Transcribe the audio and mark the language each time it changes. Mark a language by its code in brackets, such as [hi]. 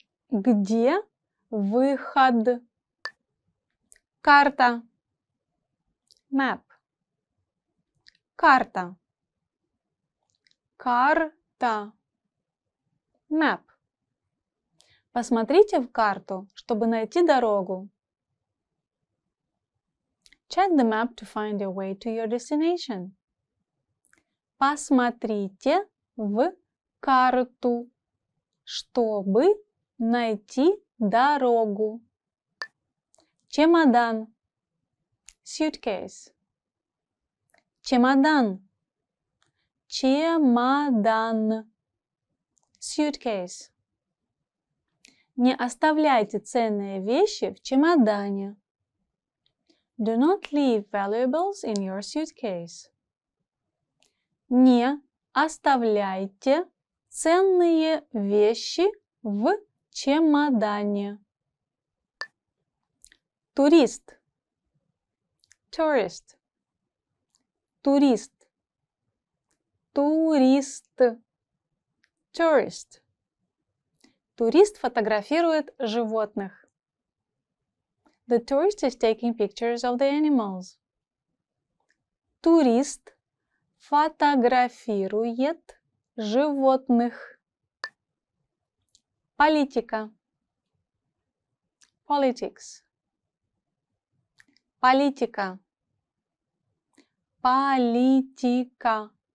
[ru] Где выход? Карта. [en] Map. [ru] Карта. Карта. [en] Map. [ru] Посмотрите в карту, чтобы найти дорогу. [en] Check the map to find your way to your destination. [ru] Посмотрите в карту, чтобы найти дорогу. Чемодан. [en] Suitcase. [ru] Чемодан. Чемодан. [en] Suitcase. [ru] Не оставляйте ценные вещи в чемодане. [en] Do not leave valuables in your suitcase. [ru] Не оставляйте ценные вещи в чемодане. Турист. [en] Tourist. [ru] Турист. Турист. [en] Tourist. [ru] Турист фотографирует животных. [en] The tourist is taking pictures of the animals. [ru] Турист фотографирует животных. Политика. [en] Politics. [ru] Политика. Политика.